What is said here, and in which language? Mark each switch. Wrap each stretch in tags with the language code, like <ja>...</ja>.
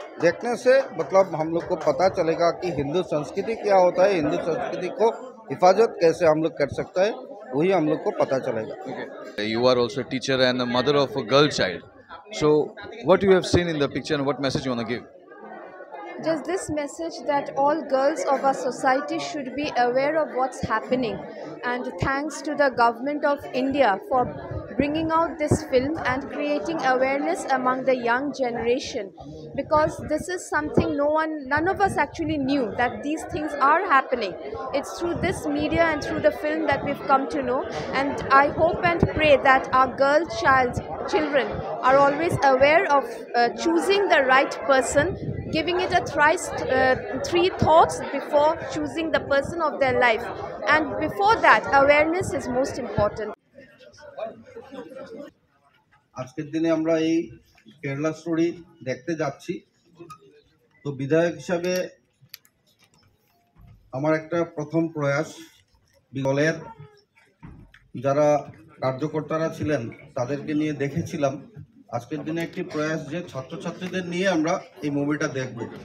<hi>देखने से मतलब हम लोग को पता चलेगा कि हिंदू संस्कृति क्या होता है, हिंदू संस्कृति को हिफाजत कैसे हम लोग कर सकते हैं, वही हम लोग को पता चलेगा।</hi> <en>You are also teacher and mother of a girl child, so what you have seen in the picture and what message you want to give? Just this message that all girls of our society should be aware of what's happening, and thanks to the government of India for bringing out this film and creating awareness among the young generation, because this is something none of us actually knew that these things are happening. It's through this media and through the film that we've come to know, and I hope and pray that our girl children are always aware of choosing the right person, giving it a three thoughts before choosing the person of their life, and before that awareness is most important.</en> <bn>আজকের দিনে আমরা এই Kerala story দেখতে যাচ্ছি, তো বিধায়ক হিসাবে আমার একটা প্রথম প্রয়াস। বিগলের যারা কার্যকর্তারা ছিলেন তাদেরকে নিয়ে দেখেছিলাম, আজকের দিনে একটি প্রয়াস যে ছাত্রছাত্রীদের নিয়ে আমরা এই মুভিটা দেখব।</bn>